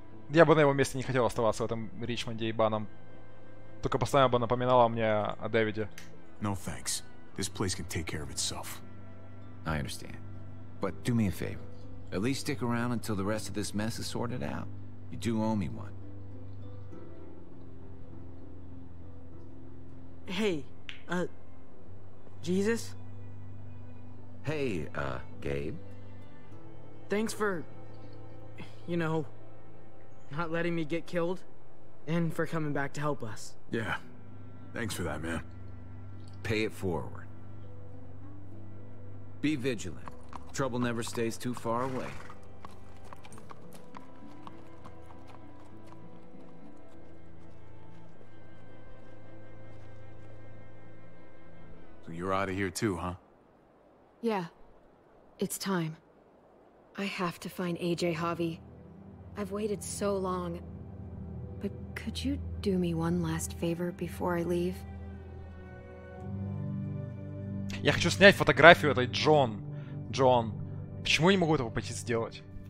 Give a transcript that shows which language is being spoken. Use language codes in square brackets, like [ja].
[ru] Я бы на его месте не хотел оставаться в этом Ричмонде ебаном. Только постоянно бы напоминало мне о Дэвиде. [en] No thanks. This place can take care of itself. I understand. But do me a favor. At least stick around until the rest of this mess is sorted out. You do owe me one. Hey, Jesus? Hey, Gabe. Thanks for, you know, not letting me get killed, and for coming back to help us. Yeah, thanks for that, man. Pay it forward. Be vigilant. Trouble never stays too far away. So you're out of here too, huh? Yeah. It's time. I have to find AJ, Javi. I've waited so long. But could you do me one last favor before I leave? [ru] Я хочу снять фотографию этой Джон. Джон. Почему я не могу этого пойти сделать?